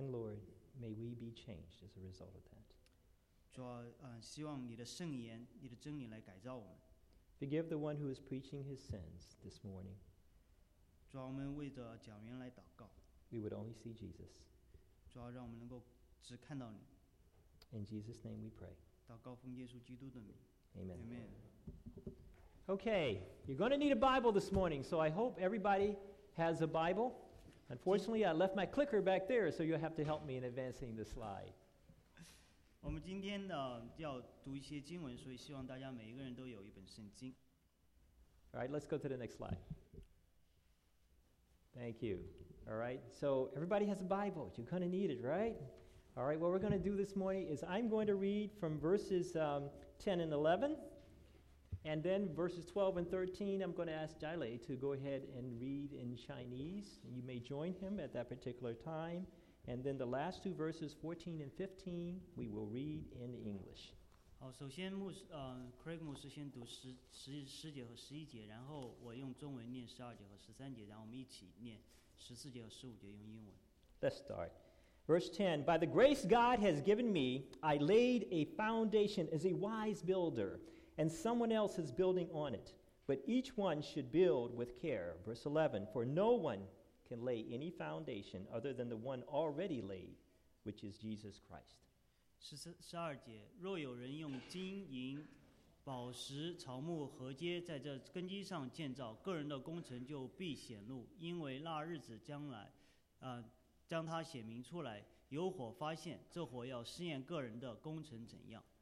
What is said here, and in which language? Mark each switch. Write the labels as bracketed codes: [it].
[en] And Lord, may we be changed as a result of that. [zh] 主啊，希望你的圣言、你的真理来改造我们。 [en] Forgive the one who is preaching his sins this morning. [zh] 主啊，我们为着讲员来祷告。 [en] We would only see Jesus. [zh] 主啊，让我们能够。只看到你。 [en] In Jesus' name we pray. [zh] 祷告奉耶稣基督的名。 [en] Amen. Amen. Okay, you're going to need a Bible this morning, so I hope everybody has a Bible. Unfortunately, I left my clicker back there, so you'll have to help me in advancing the slide. [zh] 我们今天要读一些经文，所以希望大家每一个人都有一本圣经。 [en] All right, let's go to the next slide. Thank you. All right. So everybody has a Bible. You're going to need it, right? All right. What we're going to do this morning is I'm going to read from verses 10 and 11. And then verses 12 and 13, I'm going to ask Jai Lei to go ahead and read in Chinese. You may join him at that particular time. And then the last two verses, 14 and 15, we will read in English. [zh] 好，首先牧师，Craig 牧师先读十节和十一节，然后我用中文念十二节和十三节，然后我们一起念十四节和十五节用英文。 [en] Let's start. Verse 10, by the grace God has given me, I laid a foundation as a wise builder, and someone else is building on it. But each one should build with care. Verse 11, for no one can lay any foundation other than the one already laid, which is Jesus Christ. [zh] 十二节，若有人用金银宝石草木禾秸在这根基上建造，个人的工程就必显露，因为那日子将来，将它显明出来，有火发现，这火要试验个人的工程怎样。